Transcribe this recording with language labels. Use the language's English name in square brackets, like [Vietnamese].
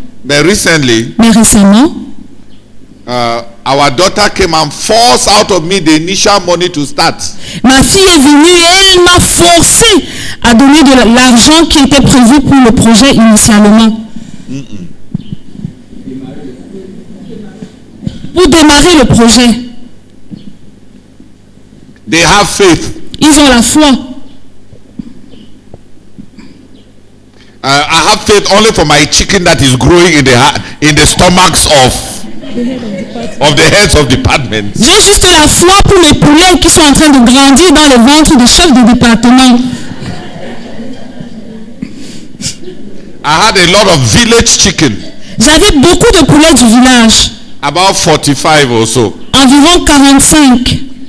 [French] Mais récemment, [English] our daughter came and forced out of me the initial money to start. [French] Ma fille est venue et elle m'a forcé à donner de l'argent qui était prévu pour le projet initialement. Pour démarrer le projet. [English] They have faith. [French] Ils ont la foi. [English] I have faith only for my chicken that is growing in the stomachs of the heads of departments. [French] J'ai juste la foi pour les poulets qui sont en train de grandir dans les ventres des chefs de département. [English] I had a lot of village chicken. [French] J'avais beaucoup de poulets du village. [English] About 45 or so. [French] Environ 45.